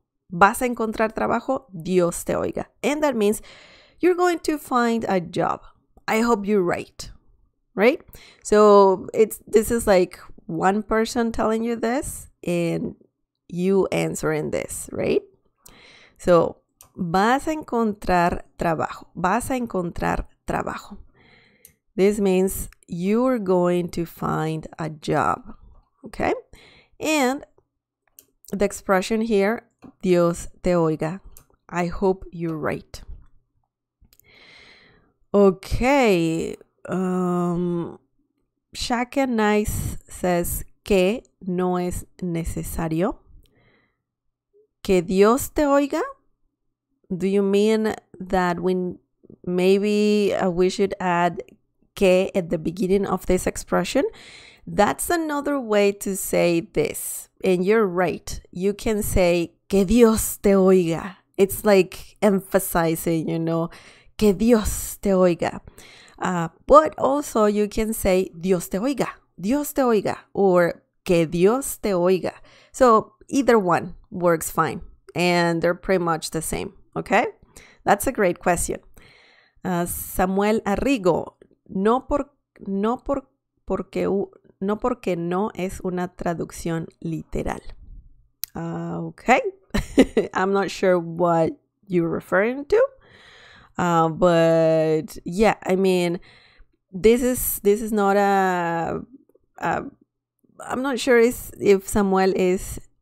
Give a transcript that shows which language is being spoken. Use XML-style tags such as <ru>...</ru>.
<es>Vas a encontrar trabajo, Dios te oiga.</es> <en>And that means you're going to find a job. I hope you're right, right? So this is like one person telling you this and you answering this, right?</en> <es>So vas a encontrar trabajo, vas a encontrar trabajo.</es> <en>This means you're going to find a job, okay? And the expression here,</en> <es>Dios te oiga,</es> <en>I hope you're right. Okay, Shaka Nice says</en> <es>que no es necesario. Que Dios te oiga?</es> <en>Do you mean that we should add que at the beginning of this expression? That's another way to say this. And you're right. You can say</en> <es>que Dios te oiga.</es> <en>It's like emphasizing, you know, que Dios te oiga. But also you can say</en> <es>Dios te oiga,</es> <en>or</en> <es>que Dios te oiga.</es> <en>So either one works fine, and they're pretty much the same, okay? That's a great question.</en> <es>Samuel Arrigo, no porque no es una traducción literal.</es> <en>Okay, I'm not sure what you're referring to, but yeah, I mean, this is not a I'm not sure if Samuel is</en>